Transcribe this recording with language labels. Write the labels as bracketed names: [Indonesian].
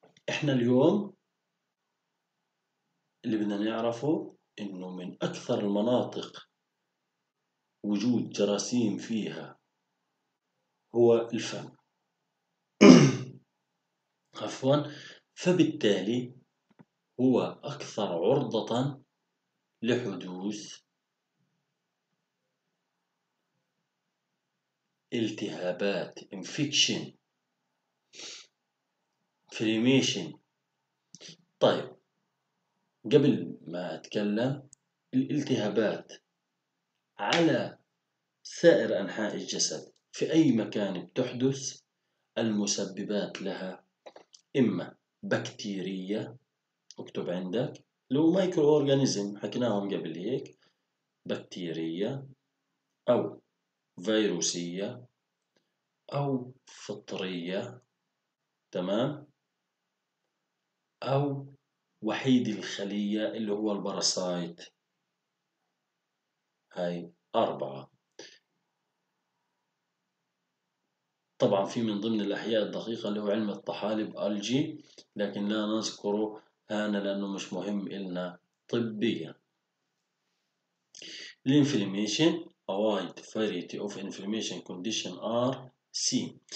[Arabic] احنا اليوم اللي بدنا نعرفه انه من اكثر المناطق وجود جراثيم فيها هو الفم. عفوا. فبالتالي هو أكثر عرضة لحدوث التهابات infection inflammation. طيب قبل ما أتكلم، الالتهابات على سائر أنحاء الجسد في أي مكان بتحدث، المسببات لها إما بكتيرية، اكتب عندك لو مايكرو أورغانيزم حكناهم قبل هيك، بكتيرية أو فيروسية أو فطرية، تمام، أو وحيد الخلية اللي هو الباراسايت، هاي أربعة. طبعا في من ضمن الأحياء الدقيقة اللي هو علم الطحالب ألجي، لكن لا نذكره هنا لأنه مش مهم إلنا طبيا. [English] الانفلاميشن A wide variety of inflammation condition are seen.